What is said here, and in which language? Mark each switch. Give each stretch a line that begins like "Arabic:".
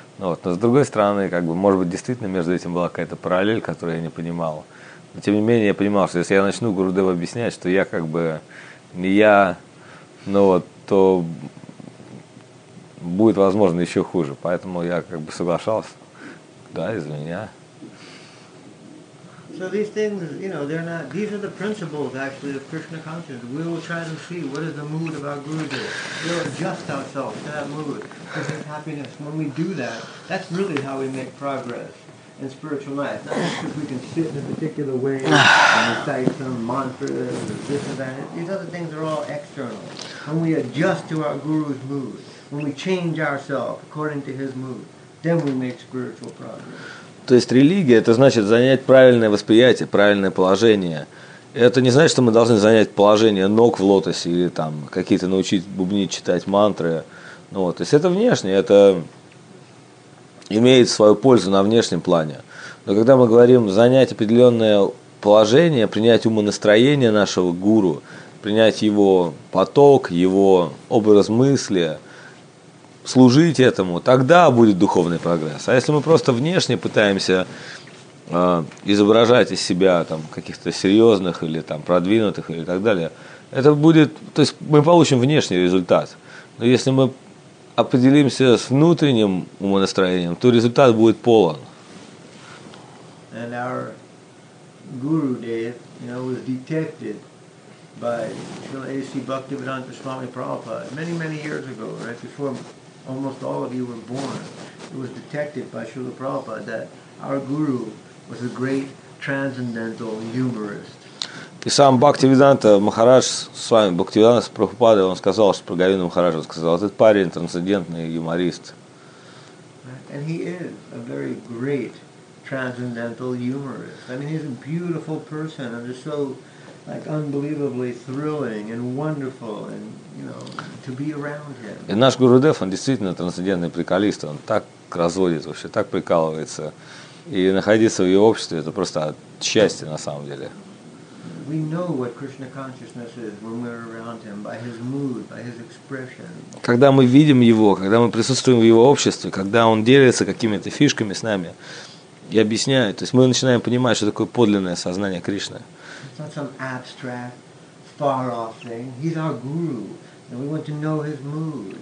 Russian: Ну, вот. Но с другой стороны, как бы, может быть, действительно между этим была какая-то параллель, которую я не понимал. Но тем не менее я понимал, что если я начну Гурудеву объяснять, что я как бы не я, ну вот, то будет, возможно, еще хуже. Поэтому я как бы соглашался. Да, из-за меня.
English: So these things, you know, they're not... These are the principles, actually, of Krishna consciousness. We will try to see what is the mood of our Guruji. We'll adjust ourselves to that mood, to his happiness. When we do that, that's really how we make progress in spiritual life. Not just because we can sit in a particular way and recite some mantra or this or that. These other things are all external. When we adjust to our Guru's mood, when we change ourselves according to his mood, then we make spiritual progress.
Russian: То есть религия — это значит занять правильное восприятие, правильное положение. Это не значит, что мы должны занять положение ног в лотосе или там какие-то научить бубнить, читать мантры. Ну, вот. То есть это внешнее, это имеет свою пользу на внешнем плане. Но когда мы говорим занять определенное положение, принять умонастроение нашего гуру, принять его поток, его образ мысли, служить этому, тогда будет духовный прогресс. А если мы просто внешне пытаемся изображать из себя там каких-то серьезных или там продвинутых или так далее, это будет, то есть мы получим внешний результат. Но если мы определимся с внутренним умонастроением, то результат будет полон.
English: And our guru Dev, you know, was detected by A.C. Bhaktivedanta Swami Prabhupada many, many years ago, right before almost all of you were born. It was detected by Srila Prabhupada that our guru was a great transcendental humorist.
Russian: И сам Бхактивиданта Махарадж с вами, Бхактивиданта с Прабхупадой, он сказал, что про Говинду Махараджа, он сказал, этот парень трансцендентный юморист.
English: And he is a very great transcendental humorist. I mean, he's a beautiful person and just so like unbelievably thrilling and wonderful and, you know, to be around him.
Russian: И наш Гурудев, он действительно трансцендентный приколист, он так разводит вообще, так прикалывается. И находиться в его обществе — это просто счастье на самом деле.
English: We know what Krishna consciousness is when we're around him by his mood, by his expression.
Russian: Когда мы видим его, когда мы присутствуем в его обществе, когда он делится какими-то фишками с нами и объясняет, то есть мы начинаем понимать, что такое подлинное сознание Кришны.
English: It's not some abstract, far off thing. He's our guru, and we want to know his mood.